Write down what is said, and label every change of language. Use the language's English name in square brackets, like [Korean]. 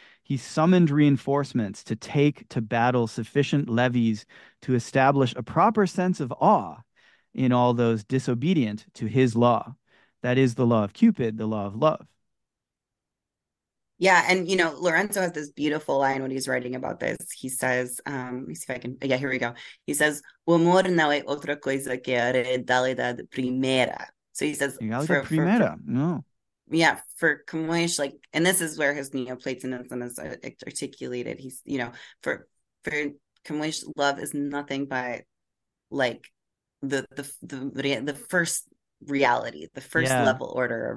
[English] He summoned reinforcements to take to battle sufficient levies to establish a proper sense of awe in all those disobedient to his law. That is the law of Cupid, the law of love. Yeah, and Lorenzo has this beautiful line when he's writing about this. He says, let me see if I can, yeah, here we go. He says, [Portuguese] "O amor não é outra coisa que a realidade primeira." [English] So he says, You gotta look at Primera, no. for Camões, like, and this is where his Neoplatonism is articulated. He's, for Camões, love is nothing but like the first reality, the first Yeah. level order of